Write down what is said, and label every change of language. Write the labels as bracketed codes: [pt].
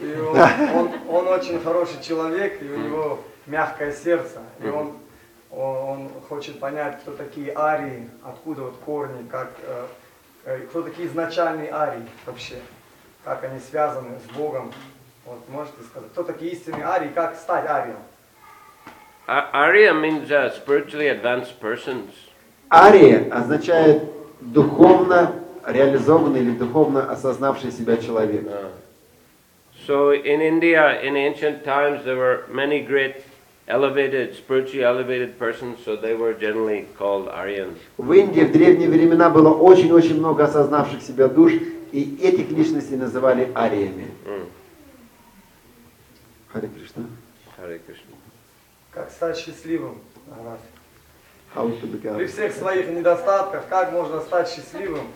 [ru] И он очень хороший человек, и у него мягкое сердце. И uh-huh. Он хочет понять, кто такие арии, откуда вот корни, как, кто такие изначальные арии вообще, как они связаны с Богом. Вот можете сказать, кто такие истинные арии, как стать арием? [en] Ария means spiritually advanced persons. [ru] Ария означает духовно реализованный или духовно осознавший себя человек. [en] So in India, in ancient times, there were many great elevated, spiritually elevated persons, so they were generally called Aryans. [ru] В Индии в древние времена было очень-очень много осознавших себя душ, и этих личностей называли ариями. Hare Krishna. Hare Krishna. Как стать счастливым? [en] How to become? [ru] При всех своих недостатках, как можно стать счастливым?